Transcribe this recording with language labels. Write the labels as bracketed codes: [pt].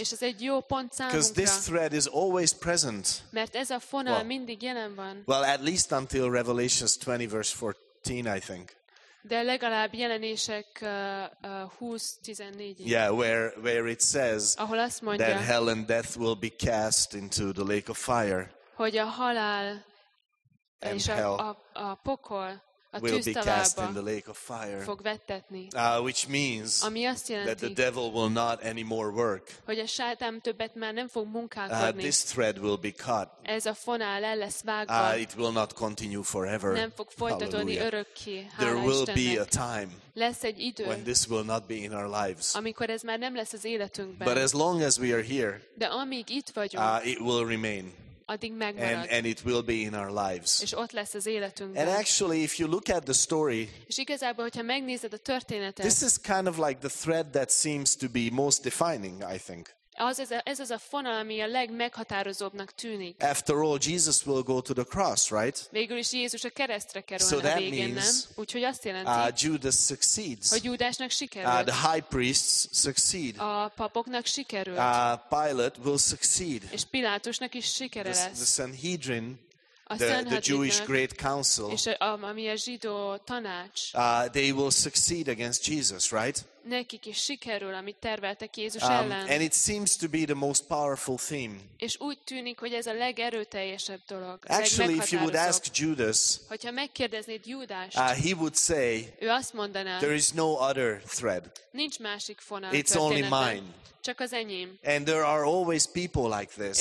[hu] És ez egy jó pont számunkra. [en] Because this thread is always present. [hu] Mert ez a fonal mindig jelen van. [en] Well, at least until Revelations 20 verse 14, I think. [hu] De legalább Jelenések 20:14. [en] Yeah, where it says that hell and death will be cast into the lake of fire. [hu] Hogy a halál [en] and [hu] és [en] hell [hu] a pokol [en] will be cast in the lake of fire, [hu] fog vettetni, [en] which means [hu] ami azt jelenti, [en] that the devil will not anymore work. [hu] Hogy a sátán többet már nem fog munkálkodni. [en] This thread will be cut. [hu] Ez a fonál el lesz vágva. [en] It will not continue forever. [hu] Nem fog folytatódni örökké. [en] There will [hu] Istennek [en] be a time. [hu] Lesz egy idő. [en] When this will not be in our lives. [hu] Amikor ez már nem lesz az életünkben. [en] But as long as we are here. [hu] De amíg itt vagyunk. [en] It will remain. [hu] Addig megmarad. [en] And it will be in our lives. [hu] És ott lesz az életünkben. [en] And actually, if you look at the story, [hu] és igazából, hogyha megnézed a történetet, [en] this is kind of like the thread that seems to be most defining, I think. [hu] Ez az a fonal, ami a legmeghatározóbbnak tűnik. [en] After all, Jesus will go to the cross, right? [hu] Végül is Jézus a keresztre kerül. [en] So that [hu] a végén, [en] means, [hu] nem? Úgyhogy azt jelenti, [en] Judas succeeds. [hu] Hogy Júdásnak sikerül. [en] The high priests succeed. [hu] A papoknak sikerül. [en] Pilate will succeed. [hu] És Pilátusnak is sikere lesz. [en] The Sanhedrin, the Jewish Great Council, [hu] és ami a zsidó tanács, [en] they will succeed against Jesus, right? [hu] Nekik is sikerül, amit terveltek Jézus ellen. [en] And it seems to be the most powerful theme. [hu] És úgy tűnik, hogy ez a legerőteljesebb dolog. [en] Actually, if you would ask Judas, [hu] hogyha megkérdeznéd Júdást, [en] he would say, [hu] ő azt mondaná, [en] there is no other thread. [hu] Nincs másik fonal. [en] It's only mine. [hu] Csak az enyém. [en] And there are always people like this.